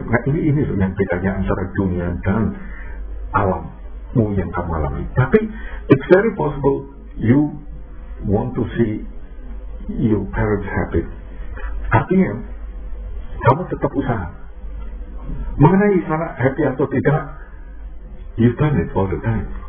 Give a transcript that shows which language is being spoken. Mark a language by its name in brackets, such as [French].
[Indonesian] Nah, ini yang bedanya antara dunia dan alammu yang kamu alami. [English] Tapi it's very possible you want to see your parents happy. [Indonesian] Artinya kamu tetap usaha. Mengenai sana happy atau tidak, [English] you've done it all the time.